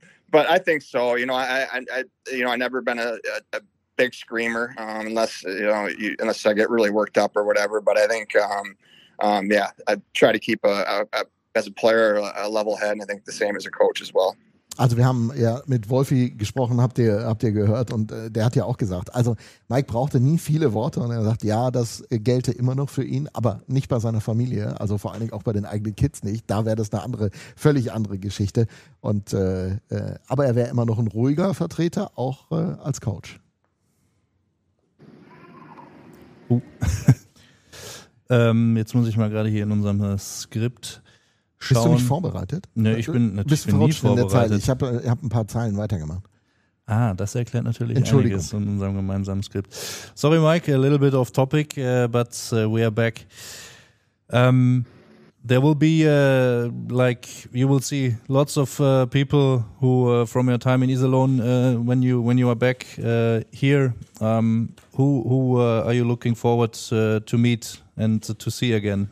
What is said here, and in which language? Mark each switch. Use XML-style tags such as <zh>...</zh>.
<en>But I think so. I never been a big screamer, unless I get really worked up or whatever. But I think, I try to keep a level head, and I think the same as a coach as well.</en> <de>Also wir haben ja mit Wolfi gesprochen, habt ihr gehört, und der hat ja auch gesagt, also Mike brauchte nie viele Worte, und er sagt, ja, das gelte immer noch für ihn, aber nicht bei seiner Familie, also vor allen Dingen auch bei den eigenen Kids nicht, da wäre das eine andere, völlig andere Geschichte, und aber er wäre immer noch ein ruhiger Vertreter, auch als Coach. jetzt muss ich mal gerade hier in unserem Skript schauen. Bist du nicht vorbereitet? Ne, ich bin natürlich nie vorbereitet. Ich habe ein paar Zeilen weitergemacht. Ah, das erklärt natürlich einiges in unserem gemeinsamen Skript.</de> <en>Sorry, Mike, a little bit off topic, but we are back. There will be, you will see lots of people who from your time in Iserlohn when you are back here. Who are you looking forward to meet and to see again?</en>